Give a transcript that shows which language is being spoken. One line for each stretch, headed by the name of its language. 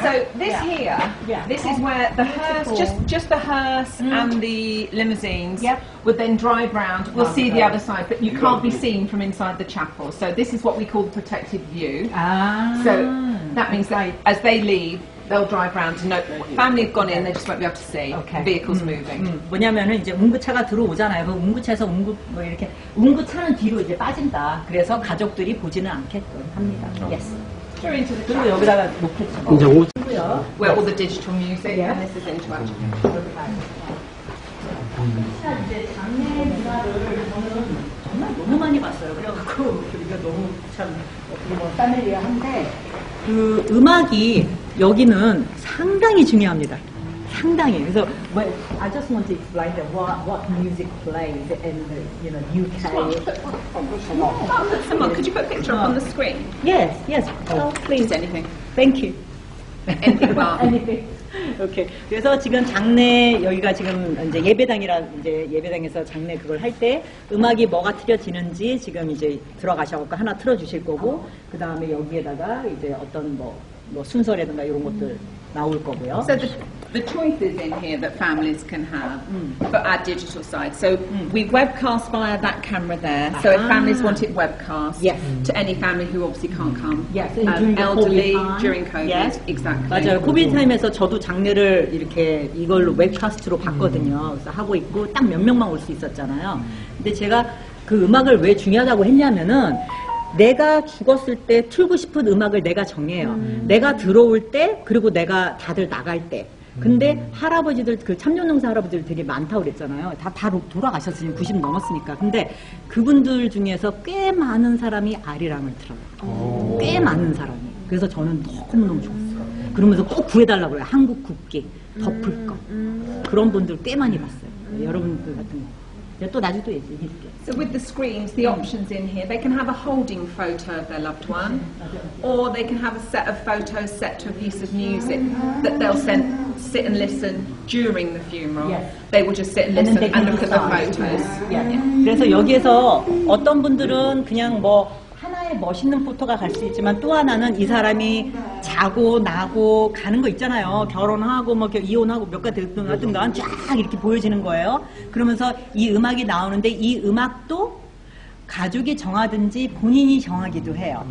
English: So this here, this is where the hearse, just the hearse and the limousines would then drive round. We'll see the other side, but you can't be seen from inside the chapel. So this is what we call the protected view. So that means that as they leave, they'll drive round to note. Family have gone in, they just won't be able to see. Okay. The vehicle's moving.
Korean: 뭐냐면은 이제 운구차가 들어오잖아요. 그 운구차에서 운구 뭐 이렇게 운구차는 뒤로 이제 빠진다. 그래서 가족들이 보지는 않게끔 합니다.
English: Yes.
Korean: 그리고 여기다가 놓겠죠. 이제 오고요.
English: Where all the digital music and this is into our chapel.
Korean: 이제 장례 문화를 저는 정말 너무 많이 봤어요. 그래갖고 우리가 너무 참. 뭐 싸늘이야 한데 그 음악이 여기는 상당히 중요합니다. 상당히. 그래서
English: I just want to explain that what music plays in the you know UK. Someone, could you put a picture up on the screen? Yes, yes. Oh, please, anything. Thank you. Anything. Okay.
Korean: 그래서 지금 장례 여기가 지금 이제 예배당이라 이제 예배당에서 장례 그걸 할 때 음악이 뭐가 틀려지는지 지금 이제 들어가셔서 하나 틀어주실 거고 그 다음에 여기에다가 이제 어떤 뭐 순서라든가 이런 것들 나올 거고요.
English: So the choices in here that families can have for our digital side. So we webcast via that camera there. So if families want it webcast yes. to any family who obviously can't come. Yes. Elderly during COVID. Yes. Exactly.
Korean: 맞아요. 코비드 타임에서 저도 장례를 이렇게 이걸로 웹캐스트로 봤거든요. 그래서 하고 있고 딱 몇 명만 올 수 있었잖아요. 근데 제가 그 음악을 왜 중요하다고 했냐면은 내가 죽었을 때 틀고 싶은 음악을 내가 정해요. 내가 들어올 때 그리고 내가 다들 나갈 때. 근데 할아버지들 그 참전농사 할아버지들 되게 많다고 그랬잖아요. 다 돌아가셨으니 90 넘었으니까. 근데 그분들 중에서 꽤 많은 사람이 아리랑을 틀어요. 꽤 많은 사람이. 그래서 저는 너무너무 좋았어요. 그러면서 꼭 구해달라고 그래요. 한국 국기 덮을 거. 그런 분들 꽤 많이 봤어요. 여러분들 같은 거. 제가 또 나중에 또 얘기해드릴게요.
English: So with the screens, the options in here, they can have a holding photo of their loved one, or they can have a set of photos set to a piece of music that they'll sit and listen during the funeral. Yes. They will just sit and listen and look at the photos. Yeah. Yeah.
Korean: 그래서 여기에서 어떤 분들은 그냥 뭐 하나의 멋있는 포토가 갈 수 있지만 또 하나는 이 사람이 자고 나고 가는 거 있잖아요. 결혼하고 뭐 이혼하고 몇 가지 됐든 하든가 쫙 이렇게 보여지는 거예요. 그러면서 이 음악이 나오는데 이 음악도 가족이 정하든지 본인이 정하기도 해요.